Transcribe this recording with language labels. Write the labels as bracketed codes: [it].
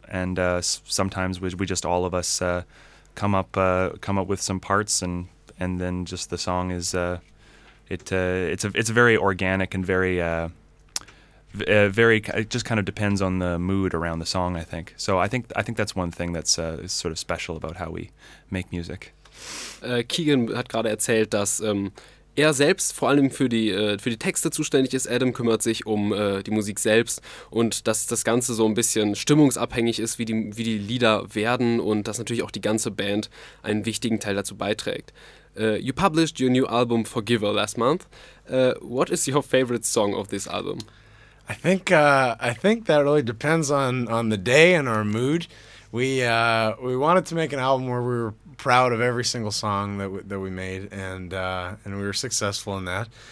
[en] And sometimes we just all of us come up with some parts, and then just the song is it's very organic and very very, it just kind of depends on the mood around the song, I think. So I think that's one thing that's sort of special about how we make music. [de] Keegan hat gerade erzählt, dass er selbst vor allem für die Texte zuständig ist. Adam kümmert sich um die Musik selbst und dass das Ganze so ein bisschen stimmungsabhängig ist, wie die Lieder werden, und dass natürlich auch die ganze Band einen wichtigen Teil dazu beiträgt. [en] You published your new album Forgiver last month. What is your favorite song of this album? I think that really depends on the day and our mood. We wanted to make an album where we were proud of every single song that we made, and we were successful in that.